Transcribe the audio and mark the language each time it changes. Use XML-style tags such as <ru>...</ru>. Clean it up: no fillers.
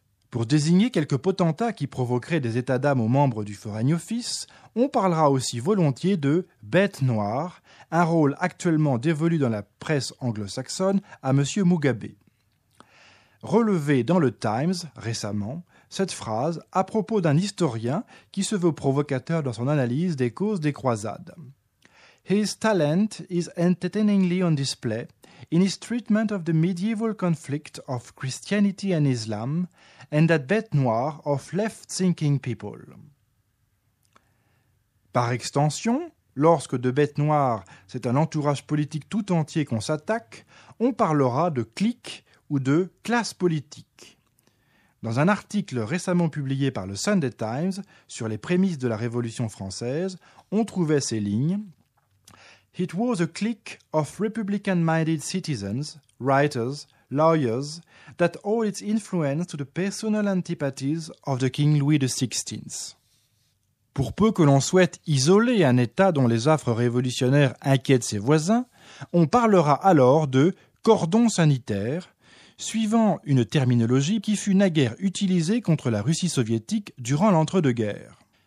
<fr>Pour désigner quelques potentats qui provoqueraient des états d'âme aux membres du Foreign Office, on parlera aussi volontiers de « bête noire », un rôle actuellement dévolu dans la presse anglo-saxonne à M. Mugabe. Relevé dans le Times récemment, cette phrase à propos d'un historien qui se veut provocateur dans son analyse des causes des croisades.</fr> <en>His talent is entertainingly on display in his treatment of the medieval conflict of Christianity and Islam and that bête noire of left-thinking people.</en> <fr>Par extension, lorsque de bête noire, c'est un entourage politique tout entier qu'on s'attaque, on parlera de clique ou de classe politique. Dans un article récemment publié par le Sunday Times sur les prémices de la Révolution française, on trouvait ces lignes.</fr> <en>It was a clique of republican-minded citizens, writers, lawyers, that owed its influence to the personal antipathies of the King Louis XVI.</en> <fr>Pour peu que l'on souhaite isoler un État dont les affres révolutionnaires inquiètent ses voisins, on parlera alors de cordon sanitaire, suivant une terminologie qui fut naguère utilisée contre la Russie soviétique durant l'entre-deux-guerres.</fr>